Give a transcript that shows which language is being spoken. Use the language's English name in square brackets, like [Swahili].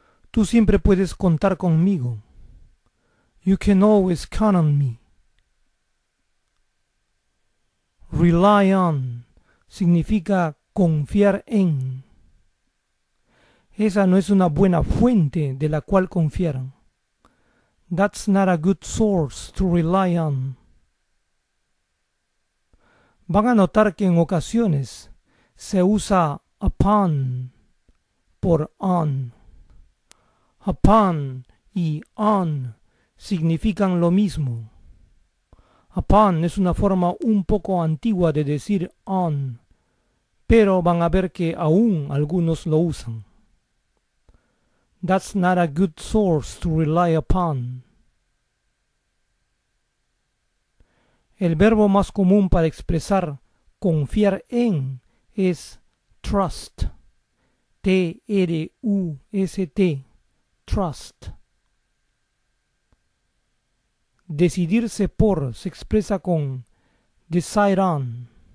[Spanish] Tú siempre puedes contar conmigo. [English] You can always count on me. [Spanish] Rely on significa confiar en. Esa no es una buena fuente de la cual confiar. [English] That's not a good source to rely on. [Spanish] van a notar que en ocasiones se usa upon por on. Upon y on significan lo mismo. Upon es una forma un poco antigua de decir on, pero van a ver que aún algunos lo usan. [English] That's not a good source to rely upon. [Spanish] El verbo más común para expresar confiar en es trust. [English] T-R-U-S-T. Trust. [Spanish] Decidirse por se expresa con decide on.